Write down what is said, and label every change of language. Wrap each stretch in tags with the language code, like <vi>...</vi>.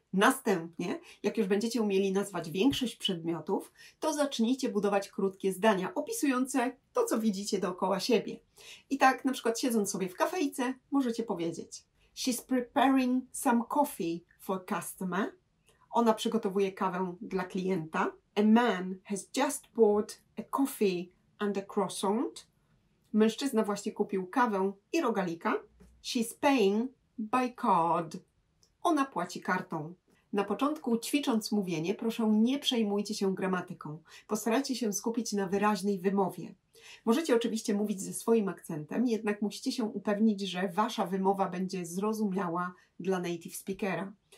<pl>Następnie, jak już będziecie umieli nazwać większość przedmiotów, to zacznijcie budować krótkie zdania opisujące to, co widzicie dookoła siebie. I tak, na przykład siedząc sobie w kafejce, możecie powiedzieć</pl> <en>She's preparing some coffee for customer.</en> <pl>Ona przygotowuje kawę dla klienta.</pl> <en>A man has just bought a coffee and a croissant.</en> <pl>Mężczyzna właśnie kupił kawę i rogalika.</pl> <en>She's paying by card.</en> <pl>Ona płaci kartą. Na początku, ćwicząc mówienie, proszę, nie przejmujcie się gramatyką. Postarajcie się skupić na wyraźnej wymowie. Możecie oczywiście mówić ze swoim akcentem, jednak musicie się upewnić, że wasza wymowa będzie zrozumiała dla native speakera.</pl>